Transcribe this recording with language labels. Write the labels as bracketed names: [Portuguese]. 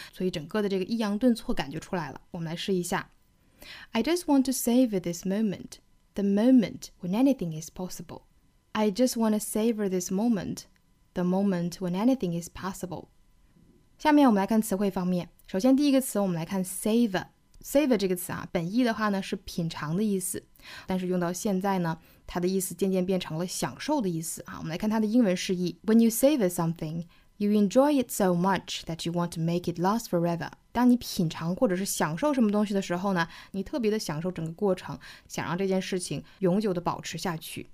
[Chinese] 所以整个的这个抑扬顿挫感就出来了。我们来试一下。 [English] I just want to save this moment, the moment when anything is possible. I just want to save this moment, the moment when anything is possible. [Chinese] 下面我们来看词汇方面。首先第一个词我们来看 savor。 savor 这个词啊本意的话呢是品尝的意思。但是用到现在呢它的意思渐渐变成了享受的意思啊。我们来看它的英文释义。 [English] When you savor something, you enjoy it so much that you want to make it last forever. [Chinese] 当你品尝或者是享受什么东西的时候呢你特别的享受整个过程想让这件事情永久的保持下去。